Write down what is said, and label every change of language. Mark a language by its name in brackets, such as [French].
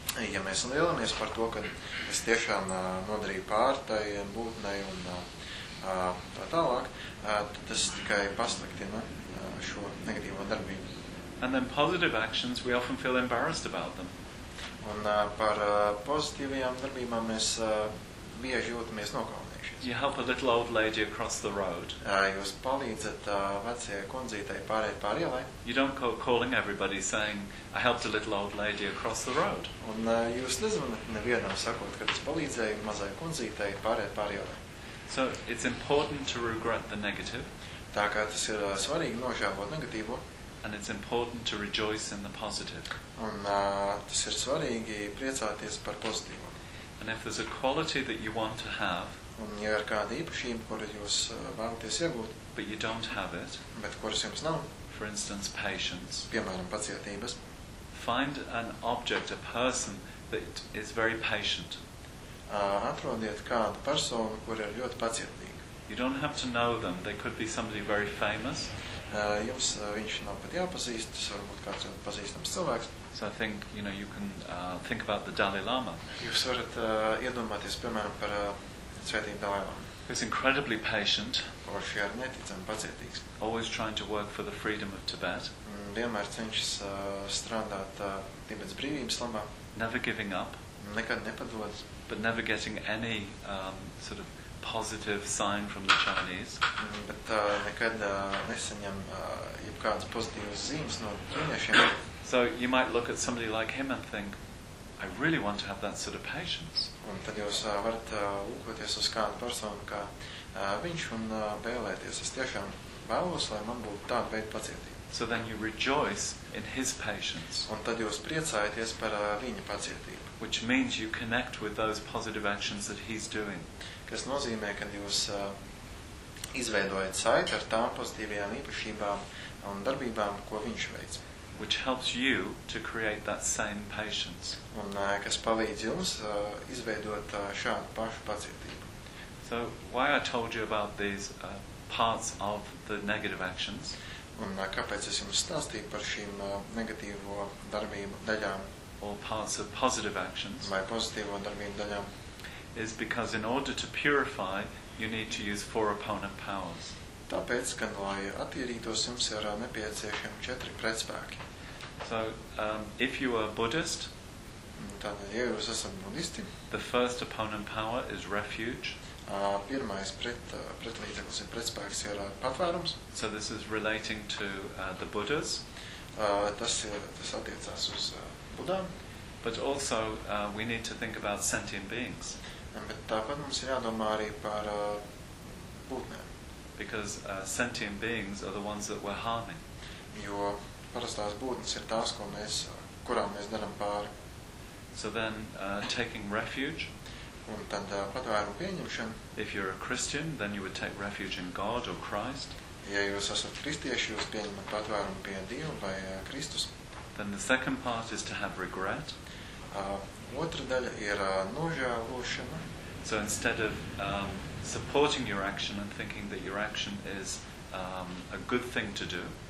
[Latvian] Ja mēs lielamies par to, ka es tiešām nodarīju pār tai būtnei un tā tālāk, tad tas tikai pasliktina šo negatīvo darbību. [English] And then positive actions, we often feel embarrassed about them. [Latvian] Un par pozitīvajām darbībām mēs bieži jūtamies nokaunējušies. [English] You help a little old lady across the road. [Latvian] Jūs palīdzat vecajai kundzītei pārēt pār ielai. [English] You don't go calling everybody saying, I helped a little old lady across the road. [Latvian] Un jūs nezvanat nevienam sakot, ka es palīdzēju mazai kundzītei pārēt pār ielai. [English] So it's important to regret the negative. [Latvian] Tā kā tas ir svarīgi nožēlot negatīvo. [English] And it's important to rejoice in the positive. [Latvian] Un tas ir svarīgi priecāties par pozitīvo. [English] And if there's a quality that you want to have, [Latvian] un ja ir kāda īpašība, kuru jūs vēlaties iegūt, [English] but you don't have it, [Latvian] bet kuras jums nav, [English] for instance, patience, [Latvian] piemēram, pacietības, [English] find an object, a person that is very patient. [Latvian] Atrodiet kādu personu, kura ir ļoti pacietīga. [English] You don't have to know them. They could be somebody very famous. [Latvian] Jums viņš nav pat jāpazīst, tas varbūt kāds pazīstams cilvēks. [English] So I think, you know, you can think about the Dalai Lama. [Latvian] Jūs varat iedomāties, piemēram, par svētību Dalai Lama. [English] He's incredibly patient. [Latvian] Or šī ir neticami pacietīgs. [English] Always trying to work for the freedom of Tibet. [Latvian] Vienmēr cenšas strādāt Tibetas brīvības labā. [English] Never giving up. [Latvian] Nekad nepadodas. [English] But never getting any sort of positive sign from the Chinese. [Latvian] Bet nekad nesaņem jebkādas pozitīvas zīmes no ķīniešiem. [English] So you might look at somebody like him and think, I really want to have that sort of patience. [Latvian] Un tad jūs varat lūkoties uz kādu personu, kā viņš un vēlēties. Es tiešām vēlos, lai man būtu tāda veida pacietība. [English] So then you rejoice in his patience. [Latvian] Un tad jūs priecājaties par viņa pacietību. [English] Which means you connect with those positive actions that he's doing. [Latvian] Kas nozīmē, ka jūs izveidojat saiti ar tām pozitīvajām īpašībām un darbībām, ko viņš veic. [English] Which helps you to create that same patience. [Latvian] Un kas palīdz jums izveidot šādu pašu pacietību. [English] So why I told you about these parts of the negative actions? [Latvian] Un kāpēc es jums stāstīju par šīm negatīvo darbību daļām? [English] Or parts of positive actions? [Latvian] Vai pozitīvo darbību daļām? [English] Is because in order to purify, you need to use four opponent powers. [Latvian] Tāpēc, kad lai attīrītos, jums ir nepieciešami četri pretspēki. [English] So, if you are Buddhist, [Latvian] tātad, ja jūs esat budisti, [English] the first opponent power is refuge. [Latvian] Pirmais pretlīdzeklis ir pretspēks ir patvērums. [English] So this is relating to the Buddhas. [Latvian] Tas attiecās uz Budām. [English] But also we need to think about sentient beings. [Latvian] Bet tāpat mums ir jādomā arī par būtnēm. [English] Because sentient beings are the ones that we're harming. [Latvian] Jo parastās būtnes ir tās, kurām mēs daram pāri. [English] So then taking refuge. [Latvian] Un tad patvērumu pieņemšana. [English] If you're a Christian, then you would take refuge in God or Christ. [Latvian] Ja jūs esat kristieši, jūs pieņemat patvērumu pie Dieva vai Kristus. [English] Then the second part is to have regret. [Latvian] Otra daļa ir nožēlošana. [English] So instead of supporting your action and thinking that your action is a good thing to do.